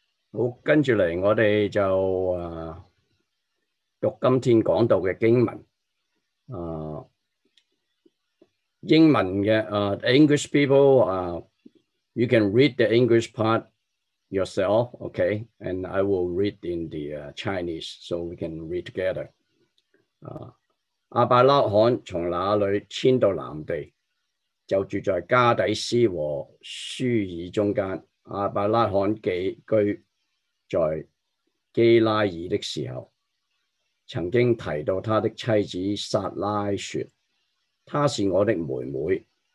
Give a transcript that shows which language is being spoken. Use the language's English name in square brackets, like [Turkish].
[Cantonese] 好，跟住嚟，我哋就读今天讲到嘅经文。英文嘅 [English] English people, you can read the English part yourself, okay? And I will read in the Chinese, so we can read together. [Cantonese] 亚伯拉罕从哪里迁到南地，就住在加底斯和舒尔中间。亚伯拉罕寄居在基拉耳的时候，曾经提到他的妻子撒拉说，她是我的妹妹。